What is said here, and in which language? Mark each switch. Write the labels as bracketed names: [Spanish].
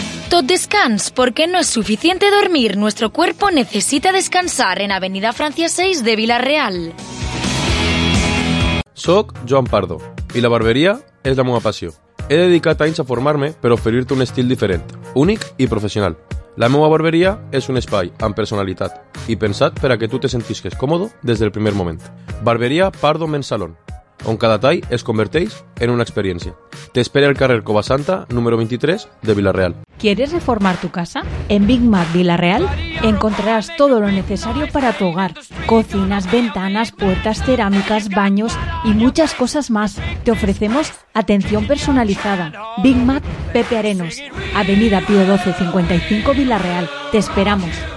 [Catalan] Tot descans, [Spanish] porque no es suficiente dormir. Nuestro cuerpo necesita descansar en Avenida Francia 6 de Vila-real. [Catalan] Soc Joan Pardo i la barberia és la meva passió. He dedicat anys a formar-me per oferir-te un estil diferent, únic i professional. La meva barberia és un espai amb personalitat i pensat per a que tu te sentisques còmodo des del primer moment. Barberia Pardo Men's Salon, on cada tall es converteix en una experiència. T'espera al carrer Cova Santa, número 23, de Vila-real. [Spanish] ¿Quieres reformar tu casa? En Big Mac Vila-real encontrarás todo lo necesario para tu hogar. Cocinas, ventanas, puertas, cerámicas, baños y muchas cosas más. Te ofrecemos atención personalizada. Big Mac Pepe Arenos, Avenida Pío 12, 55, Vila-real. Te esperamos.